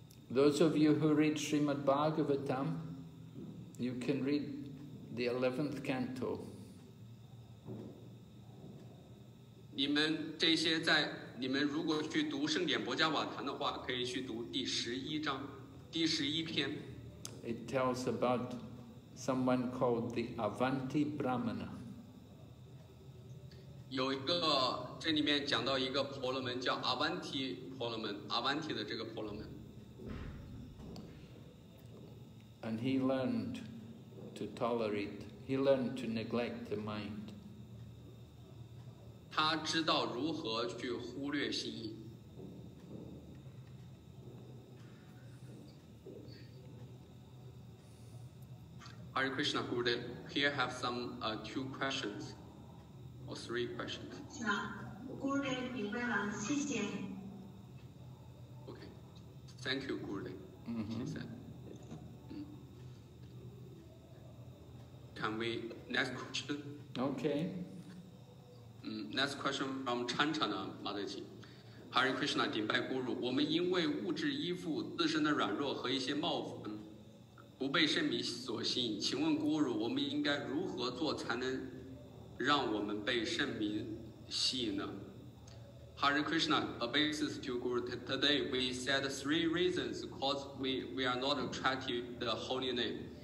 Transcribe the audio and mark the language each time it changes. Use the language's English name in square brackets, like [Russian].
[English] Those of you who read Srimad Bhagavatam, you can read the 11th canto. [Chinese] 你们这些在你们如果去读圣典薄伽瓦坛的话，可以去读第十一章，第十一篇。 [English] It tells about someone called the Avanti Brahmana. [Chinese] 有一个这里面讲到一个婆罗门叫 Avanti 婆罗门 ，Avanti 的这个婆罗门。 [English] And he learned to tolerate, he learned to neglect the mind. [Chinese] 他知道如何去忽略心意。 [English] Hare Krishna Gurudev, here I have two questions, or three questions. [Chinese] Gurudev, 明白了，谢谢。 [English] Okay, thank you Gurudev, he said. Can we next question? Okay. Next question from Chan Chan Mataji. Hare Krishna, [Chinese] 顶拜 [English] Guru. [Chinese] 我们因为物质依附、自身的软弱和一些冒犯，不被圣明所吸引。请问 Guru， 我们应该如何做才能让我们被圣明吸引呢？ [English] Hare Krishna, a basis to Guru. Today we said three reasons cause we are not attracted to the holy name.